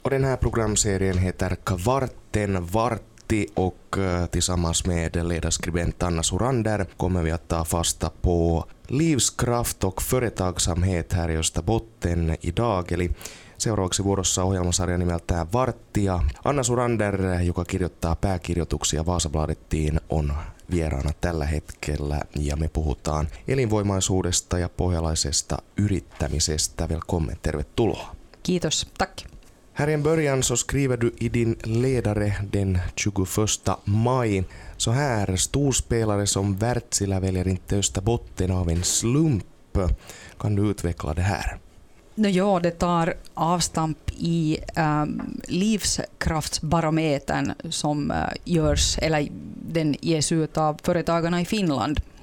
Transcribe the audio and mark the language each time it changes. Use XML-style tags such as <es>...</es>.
<sv>och den här programserien heter Kvarten Vartti och tillsammans med ledarskribent Anna Surander kommer vi att ta fasta på livskraft och företagsamhet här i Österbotten idag.</sv> <fi>Eli seuraavaksi vuorossa ohjelmasarja nimeltään Varttia. Anna Surander, joka kirjoittaa pääkirjoituksia Vaasabladettiin, on vieraana tällä hetkellä ja me puhutaan elinvoimaisuudesta ja pohjalaisesta yrittämisestä.</fi> <sv>Välkomme,</sv> <fi>tervetuloa. Kiitos,</fi> <sv>tack. Här i en början så skriver du i din ledare den 21 maj så här: storspelare som Wärtsilä väljer inte Österbotten av en slump. Kan du utveckla det här?</sv> <fi>No joo,</fi> <sv>det tar avstamp i livskraftsbarometern som görs, eller den ges ut av företagarna i Finland.</sv>